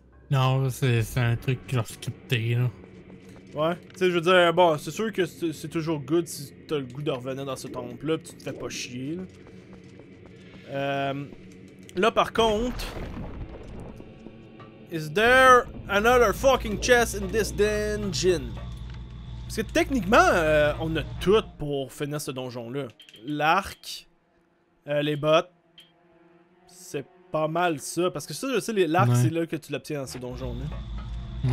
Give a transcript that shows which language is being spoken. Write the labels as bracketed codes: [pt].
[fr] Non, c'est un truc genre scripté là. Ouais, tu sais, je veux dire, bon, c'est sûr que c'est toujours good si t'as le goût de revenir dans ce temple là, pis tu te fais pas chier là. Là par contre. [en] Is there another fucking chest in this dungeon? [fr] Parce que techniquement, on a tout pour finir ce donjon-là. L'arc, les bottes, c'est pas mal ça. Parce que ça, je sais, l'arc, ouais. C'est là que tu l'obtiens dans ce donjon-là.